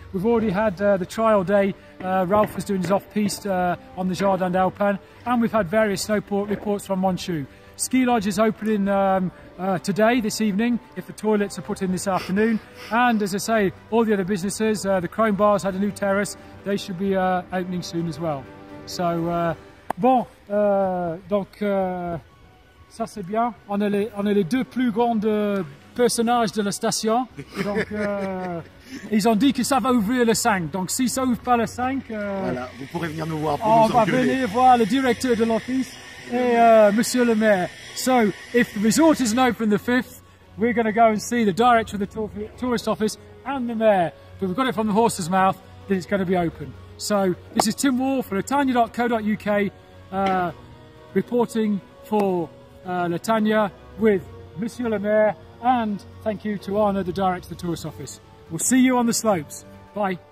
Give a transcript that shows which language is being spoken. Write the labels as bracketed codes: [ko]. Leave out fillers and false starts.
[en] We've already had the trial day. Ralph was doing his off-piste on the Jardin d'Alpin, and we've had various snowport reports from Monchu. Ski Lodge is opening today, this evening, if the toilets are put in this afternoon. And as I say, all the other businesses, the Chrome Bars had a new terrace, they should be opening soon as well. [fr] So, ça c'est bien. On est les deux plus grandes personnages de la station. Donc, ils ont dit que ça va ouvrir le 5. Donc, si ça ouvre pas le 5, voilà, vous pourrez venir nous voir pour nous engueuler. On va venir voir le directeur de l'office et Monsieur le Maire. [en] So, if the resort isn't open the 5th, we're going to go and see the director of the tourist office and the mayor. But we've got it from the horse's mouth that it's going to be open. So, this is Tim Wall for Latania.co.uk reporting for Latania with Monsieur le Maire, and thank you to Arnaud, the director of the tourist office. We'll see you on the slopes. Bye.